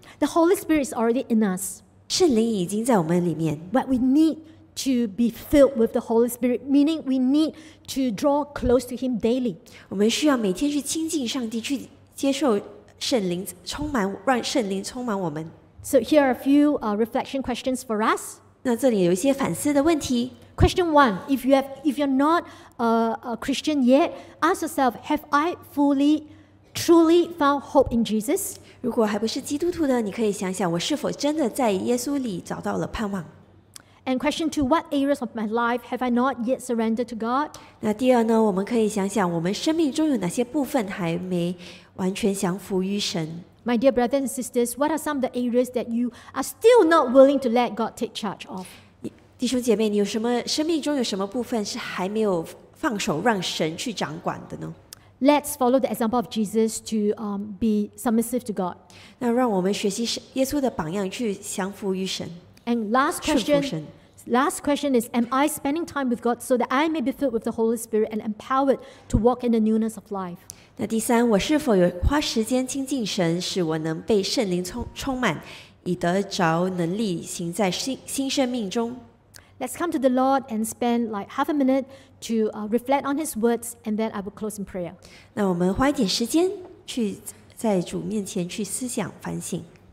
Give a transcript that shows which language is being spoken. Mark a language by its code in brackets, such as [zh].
[en] The Holy Spirit is already in us. [zh] 圣灵已经在我们里面。 [en] But we need to be filled with the Holy Spirit, meaning we need to draw close to Him daily. [zh] 我们需要每天去亲近上帝，去接受圣灵充满，让圣灵充满我们。 [en] So here are a few reflection questions for us. [zh] 那这里有一些反思的问题。 [en] Question one: If you're not a Christian yet, ask yourself: Have I fully, truly found hope in Jesus? [zh] 如果还不是基督徒的，你可以想想，我是否真的在耶稣里找到了盼望。 [en] And question two: What areas of my life have I not yet surrendered to God? [zh] 那第二呢？我们可以想想，我们生命中有哪些部分还没完全降服于神。 [en] My dear brothers and sisters, what are some of the areas that you are still not willing to let God take charge of? [zh] 弟兄姐妹，你有什么生命中有什么部分是还没有放手让神去掌管的呢？ [en] Let's follow the example of Jesus to be submissive to God. [zh] 那让我们学习耶稣的榜样，去降服于神。 [en] And last question is, am I spending time with God so that I may be filled with the Holy Spirit and empowered to walk in the newness of life? [zh] 那第三，我是否有花时间亲近神，使我能被圣灵充满，以得着能力行在新生命中？ [en] Let's come to the Lord and spend like half a minute to reflect on His words, and then I will close in prayer. [zh] 那我们花一点时间去在主面前去思想反省。